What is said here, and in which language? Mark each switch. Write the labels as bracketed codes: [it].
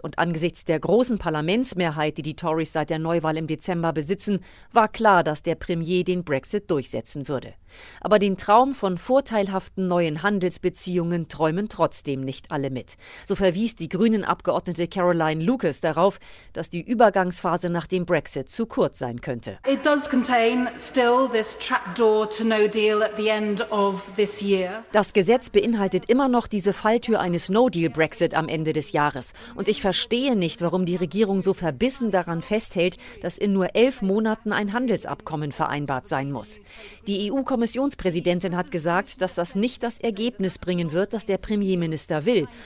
[de] Und angesichts der großen Parlamentsmehrheit, die die Tories seit der Neuwahl im Dezember besitzen, war klar, dass der Premier den Brexit durchsetzen würde. Aber den Traum von vorteilhaften neuen Handelsbeziehungen träumen trotzdem nicht alle mit. So verwies die Grünen-Abgeordnete Caroline Lucas darauf, dass die Übergangsphase nach dem Brexit zu kurz sein könnte. [en] It does contain still this trapdoor to no deal at the end of this year. [de] Das Gesetz beinhaltet immer noch diese Falltür eines No-Deal-Brexit am Ende des Jahres. Und ich verstehe nicht, warum die Regierung so verbissen daran festhält, dass in nur 11 Monaten ein Handelsabkommen vereinbart sein muss. Die EU-Kommissionspräsidentin hat gesagt, dass das nicht das Ergebnis bringen wird, das der Premierminister will.